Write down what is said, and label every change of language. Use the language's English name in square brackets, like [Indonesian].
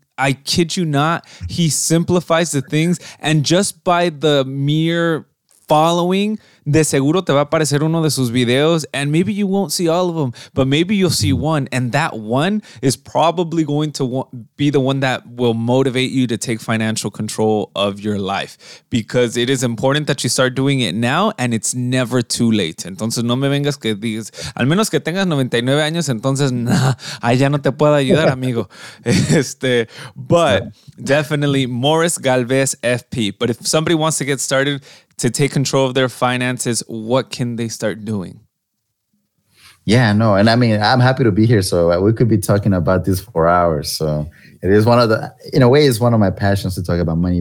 [English] I kid you not, he simplifies the things, and just by the mere following, [Spanish] de seguro te va a aparecer uno de sus videos, [English] and maybe you won't see all of them, but maybe you'll see one, and that one is probably going to be the one that will motivate you to take financial control of your life, because it is important that you start doing it now, and it's never too late. [Spanish] Entonces no me vengas que digas, al menos que tengas 99 años, entonces nah, ay, ya no te puedo ayudar, amigo. [English] But definitely Moris Galvez FP. But if somebody wants to get started to take control of their finances, what can they start doing? Yeah, no. And I mean, I'm happy to be here. So we could be talking about this for hours. So it is one of the, in a way, it's one of my passions to talk about money.